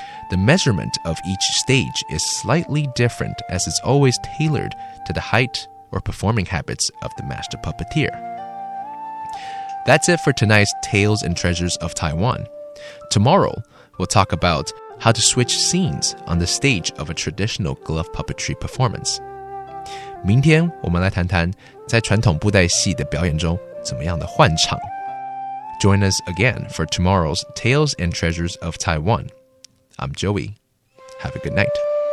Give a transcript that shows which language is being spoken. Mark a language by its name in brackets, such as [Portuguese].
[English] The measurement of each stage is slightly different as it's always tailored to the height or performing habits of the master puppeteer. That's it for tonight's Tales and Treasures of Taiwan. Tomorrow, we'll talk about how to switch scenes on the stage of a traditional glove puppetry performance. [Chinese] 明天我们来谈谈在传统布袋戏的表演中怎么样的换场。 [English] Join us again for tomorrow's Tales and Treasures of Taiwan.I'm Joey. Have a good night.